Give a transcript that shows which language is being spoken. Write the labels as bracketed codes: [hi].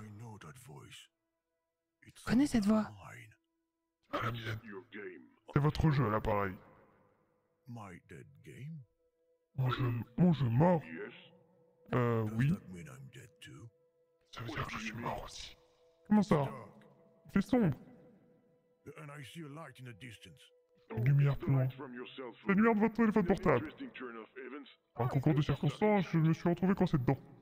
[en] I know that voice. It's [fr] connais cette voix. La mienne. [en] Your game. [fr] C'est votre jeu à l'appareil. [en] My dead game? [fr] Mon jeu mort. [en] Yes. Oui. Mean I'm dead too? [fr] Ça veut dire que je suis mort aussi. Comment ça? Il fait sombre. [en] And I see a light in the distance. [fr] Une lumière plus loin. La lumière de votre téléphone portable. Un concours de circonstances, je me suis retrouvé coincé dedans.